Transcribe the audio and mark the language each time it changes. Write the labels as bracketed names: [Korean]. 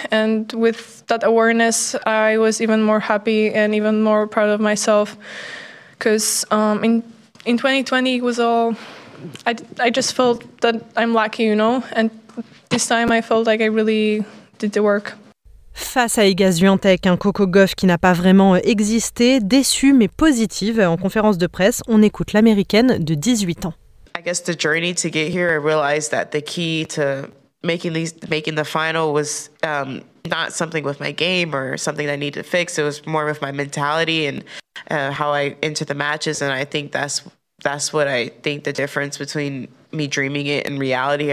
[English] And with that awareness, I was even more happy and even more proud of myself, because in 2020 it was all, I just felt that I'm lucky, you know, and this time I felt like I really did the work. [French] Face à Iga Swiatek, un Coco Gauff qui n'a pas vraiment existé, déçue mais positive, en conférence de presse, on écoute l'Américaine de 18 ans. [English] I guess the journey to get here, I realized that the key to making the final was not something with my game or something that I need to fix. It was more with my mentality and how I enter the matches. And I think that's what I think the difference between me dreaming it and reality.